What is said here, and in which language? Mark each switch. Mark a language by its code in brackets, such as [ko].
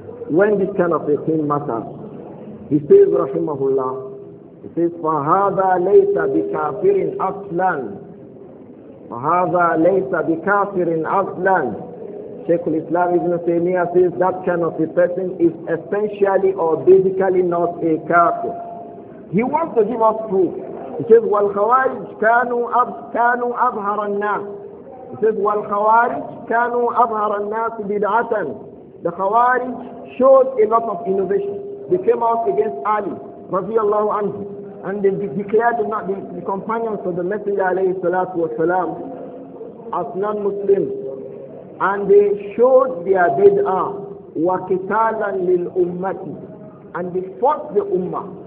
[en] When this kind of a thing matters, he says, rahimahullah, he says, [ar] فَهَذَا لَيْسَ بِكَافِرٍ أَصْلًا. فَهَذَا لَيْسَ بِكَافِرٍ أَصْلًا. [en] Shaykh al-Islam ibn Taymiyyah says that kind of a person is essentially or basically not a kafir. He wants to give us proof. He says, [ar] وَالْخَوَارِجْ كَانُوا أَظْهَرَ النَّاسِ. [en] He says, [ar] وَالْخَوَارِجْ كَانُوا أَظْهَرَ النَّاسِ بِدْعَةً. [en] The Khawarij showed a lot of innovation. They came out against Ali, [ar] رضي الله عنه, [en] and they declared the companions of the Messenger, alayhi salatu wasalam, as non-Muslims. And they showed their bid'ah, [ar] وَكِتَالًا لِلْأُمَّةِ, [en] and they fought the ummah.